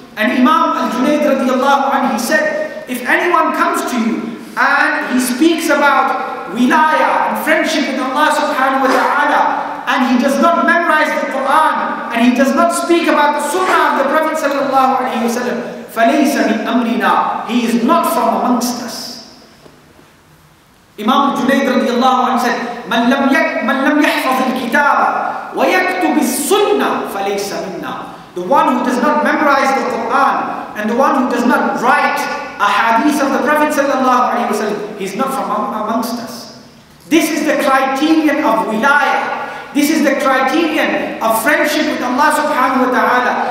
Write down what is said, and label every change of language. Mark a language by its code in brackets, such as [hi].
[en] And Imam al-Junayd radiallahu anhu, he said, if anyone comes to you and he speaks about wilaya and friendship with Allah subhanahu wa ta'ala, and he does not memorize the Quran, and he does not speak about the sunnah of the Prophet sallallahu alaihi wasallam, [ar] فَلَيْسَ مِنْ أَمْرِنَا. [en] He is not from amongst us. Imam Junayd radiallahu anhu said, [ar] مَنْ لَمْ يَحْفَظِ الْكِتَابَ وَيَكْتُبِ السُنَّةِ فَلَيْسَ مِنَّا. [en] The one who does not memorize the Quran, and the one who does not write a hadith of the Prophet sallallahu alaihi wasallam, he is not from amongst us. This is the criterion of wilaya. This is the criterion of friendship with Allah subhanahu wa ta'ala.